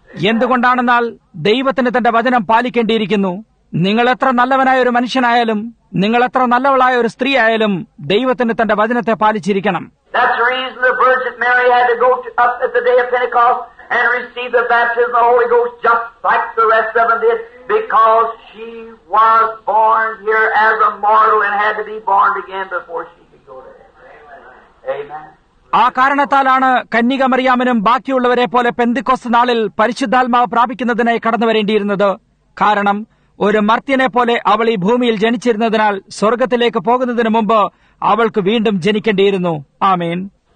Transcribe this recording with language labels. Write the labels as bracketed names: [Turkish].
[Malayalam] എന്തുകൊണ്ടാണെന്നാൽ ദൈവത്തിന് തന്റെ വചനം പാലിക്കേണ്ടിയിരിക്കുന്നു. നിങ്ങളെത്ര നല്ലവനായ ഒരു മനുഷ്യനായാലും നിങ്ങളെത്ര നല്ലവളായ ഒരു സ്ത്രീ ആയാലും ദൈവത്തിന് തന്റെ വചനത്തെ പാലിച്ചിരിക്കണം. [English] That's the reason the Virgin Mary had to go up at the day of Pentecost and receive the baptism of the Holy Ghost just like the rest of them did, because she was born here as a mortal and had to be born again before she could go to heaven. Amen. [Malayalam] ആ കാരണത്താലാണ് കന്യക മറിയാമനും ബാക്കിയുള്ളവരെ പോലെ പെന്തിക്കോസ് നാളിൽ പരിശുദ്ധാത്മാവ് പ്രാപിക്കുന്നതിനായി കടന്നുവരേണ്ടിയിരുന്നത്. കാരണം ഒരു മർത്യനെ പോലെ അവൾ ഈ ഭൂമിയിൽ ജനിച്ചിരുന്നതിനാൽ സ്വർഗത്തിലേക്ക് പോകുന്നതിന് മുമ്പ് അവൾക്ക് വീണ്ടും ജനിക്കേണ്ടിയിരുന്നു. ആമേൻ.